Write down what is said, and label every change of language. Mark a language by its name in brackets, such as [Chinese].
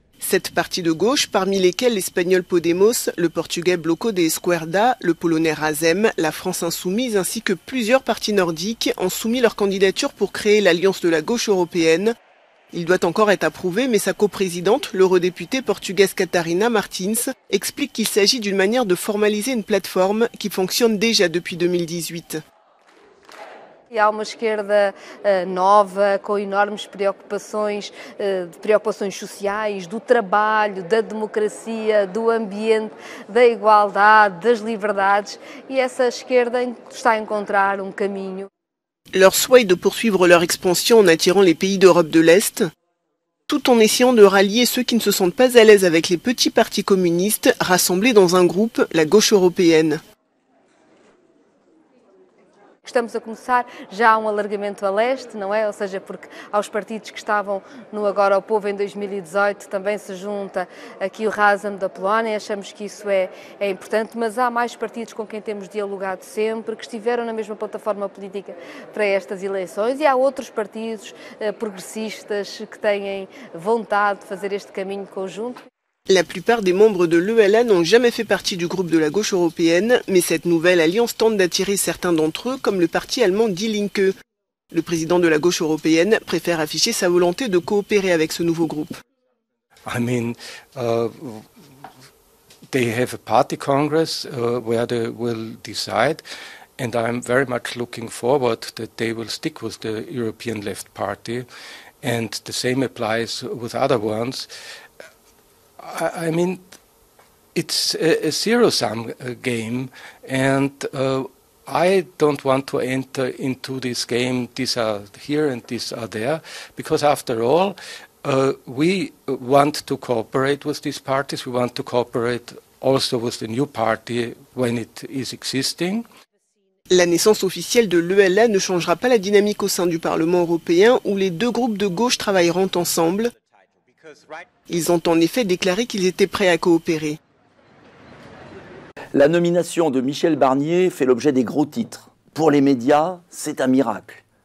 [French] Sept partis de gauche, parmi lesquels l'Espagnol Podemos, le Portugais Bloco de Esquerda, le Polonais Razem, la France Insoumise ainsi que plusieurs partis nordiques ont soumis leur candidature pour créer l'Alliance de la gauche européenne. Il doit encore être approuvé, mais sa coprésidente, l'eurodéputée portugaise Catarina Martins, explique qu'il s'agit d'une manière de formaliser une plateforme qui fonctionne déjà depuis 2018. [Portuguese] E há uma esquerda nova, com enormes preocupações, de preocupações sociais, do trabalho, da democracia, do ambiente, da igualdade, das liberdades, e essa esquerda está a encontrar um caminho. [French] Leur souhait est de poursuivre leur expansion en attirant les pays d'Europe de l'Est, tout en essayant de rallier ceux qui ne se sentent pas à l'aise avec les petits partis communistes rassemblés dans un groupe, la gauche européenne. [Portuguese] estamos a começar já um alargamento a leste, não é? Ou seja, porque aos partidos que estavam no Agora ao Povo em 2018 também se junta aqui o Razem da Polónia, achamos que isso é importante, mas há mais partidos com quem temos dialogado sempre, que estiveram na mesma plataforma política para estas eleições, e há outros partidos progressistas que têm vontade de fazer este caminho conjunto. [French] La plupart des membres de l'ELA n'ont jamais fait partie du groupe de la gauche européenne, mais cette nouvelle alliance tente d'attirer certains d'entre eux, comme le parti allemand Die Linke. Le président de la gauche européenne préfère afficher sa volonté de coopérer avec ce nouveau groupe. [English] I mean, they have a party congress where they will decide, and I'm very much looking forward that they will stick with the European Left Party, and the same applies with other ones. I mean, it's a zero-sum game, and I don't want to enter into this game, these are here and these are there, because after all, we want to cooperate with these parties, we want to cooperate also with the new party when it is existing. [French] La naissance officielle de l'ELA ne changera pas la dynamique au sein du Parlement européen, où les deux groupes de gauche travailleront ensemble. Ils ont en effet déclaré qu'ils étaient prêts à coopérer. La nomination de Michel Barnier fait l'objet des gros titres. Pour les médias, c'est un miracle.